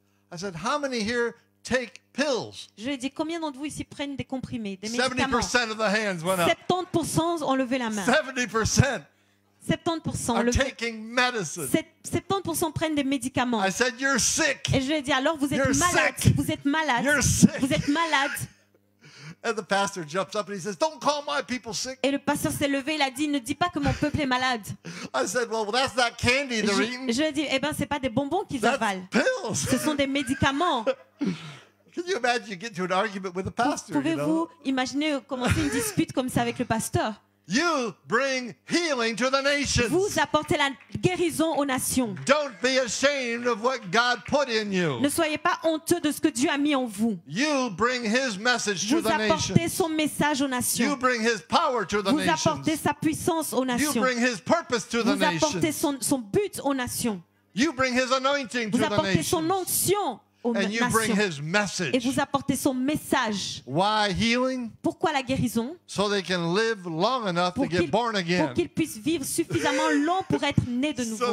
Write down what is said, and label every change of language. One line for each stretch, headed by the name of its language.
English: I said, how many here take pills?
French: Je lui ai dit, combien d'entre vous ici prennent des comprimés, des médicaments?
English: 70% of the hands went up.
French: 70% ont levé la main.
English: 70%.
French: 70%,
English: are taking medicine.
French: 70% prennent des médicaments.
English: I said, you're sick.
French: Et je lui ai dit, alors vous êtes
English: you're
French: malade.
English: Sick.
French: Vous êtes malade.
English: You're sick.
French: Vous êtes malade.
English: And the pastor jumps up and he says, don't call my people sick.
French: Et le pasteur s'est levé, il a dit, ne dis pas que mon peuple est malade.
English: I said, well, that's not candy they're eating.
French: Je lui ai dit, eh ben, c'est pas des bonbons qu'ils
English: that's
French: avalent.
English: Pills.
French: Ce sont des médicaments.
English: Can you imagine you get into an argument with a pastor?
French: Pouvez-vous imaginer commencer une dispute comme ça avec le pasteur?
English: You bring healing to the nations.
French: Vous apportez la guérison aux nations.
English: Don't be ashamed of what God put in you.
French: Ne soyez pas honteux de ce que Dieu a mis en vous.
English: You bring his message to the nations.
French: Vous apportez son message aux nations.
English: You bring his power to the
French: nations. Vous apportez sa puissance aux nations.
English: You bring his purpose to the nations.
French: Vous apportez son but aux nations.
English: You bring his anointing to the nations.
French: Vous apportez son onction.
English: And you bring his message.
French: Et vous apportez son message.
English: Why healing?
French: Pourquoi la guérison?
English: So they can live long enough to get born again.
French: Pour qu'ils puissent vivre suffisamment long pour être nés de nouveau.